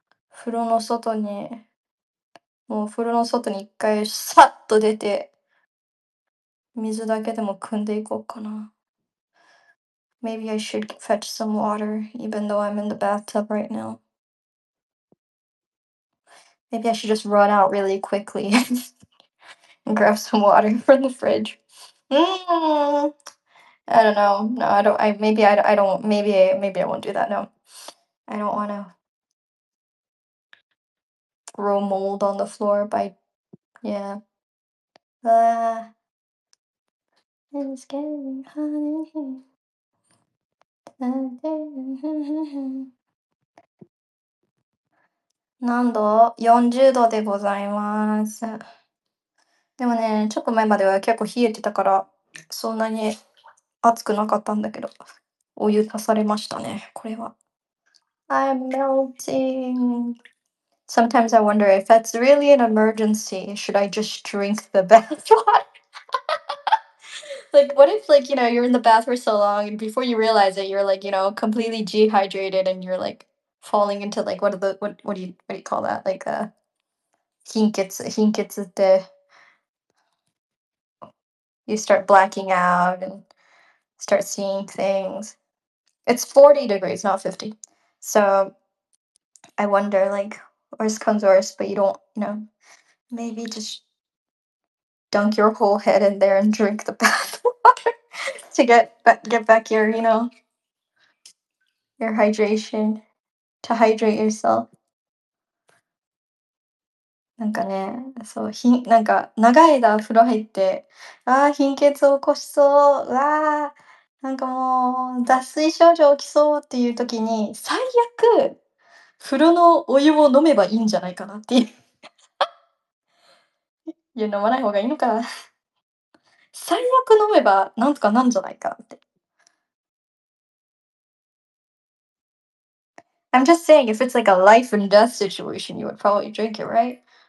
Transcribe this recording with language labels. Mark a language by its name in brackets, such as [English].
[Japanese] 風呂の外に、もう風呂の外に一回サッと出て、水だけでも汲んでいこうかな。 [English] Maybe I should fetch some water, even though I'm in the bathtub right now. Maybe I should just run out really quickly and grab some water from the fridge. I don't know. No, I don't. I don't. Maybe I won't do that. No, I don't want to grow mold on the floor. By, yeah. It's getting hot in here. [Japanese] 何度？40度でございます。でもね、ちょっと前までは結構冷えてたから、そんなに暑くなかったんだけど、お湯足されましたね、これは。 [English] I'm melting. Sometimes I wonder if that's really an emergency. Should I just drink the bath water? Like, what if, like, you're in the bath for so long, and before you realize it, you're like, completely dehydrated, and you're like falling into like what are the what do you call that? Like, 貧血って。 You start blacking out and start seeing things. It's 40 degrees, not 50. So I wonder, like, worse comes worse, but you don't, maybe just dunk your whole head in there and drink the bath water to get back your, your hydration. to hydrate yourself. [Japanese] なんかね、そう、ひん、なんか、長い間風呂入って、ああ、貧血を起こしそう、わあ、なんかもう、脱水症状起きそうっていう時に、最悪、風呂のお湯を飲めばいいんじゃないかなっていう。いや、飲まない方がいいのかな。最悪飲めば、なんとかなんじゃないかなって。 [English] I'm just saying, if it's like a life and death situation, you would probably drink it, right?